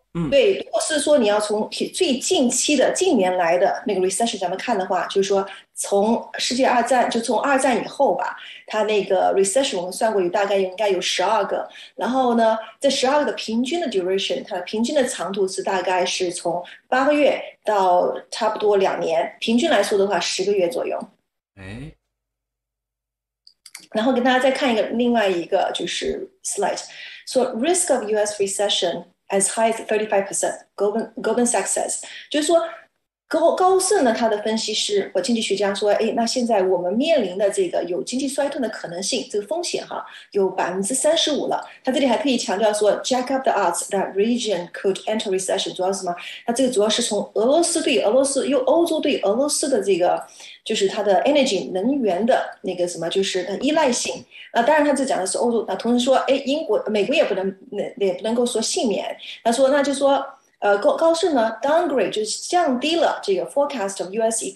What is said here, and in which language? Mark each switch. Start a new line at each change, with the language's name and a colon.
Chinese: 对，如果是说你要从最近期的近年来的那个 recession 咱们看的话，就是说从世界二战，就从二战以后吧，它那个 recession 我们算过有大概应该有12个，然后呢这12个的平均的 duration， 它的平均的长度是大概是从8个月到差不多2年，平均来说的话10个月左右。哎，然后跟大家再看一个另外一个就是 slide，
English: So risk of U.S. recession as high as 35%, Goldman Sachs says.
Chinese: 就是说 高盛呢他的分析师和经济学家说，哎，那现在我们面临的这个有经济衰退的可能性，这个风险哈，有35%了。他这里还可以强调说
English: jack up the odds that region could enter recession,
Chinese: 主要是什么？他这个主要是从欧洲对俄罗斯的这个就是它的 energy 能源的那个什么，就是它依赖性。那当然，他这讲的是欧洲。那同时说，哎，英国、美国也不能够说幸免。他说，那就说，高盛呢 downgrade 就是降低了这个
English: forecast of U.S.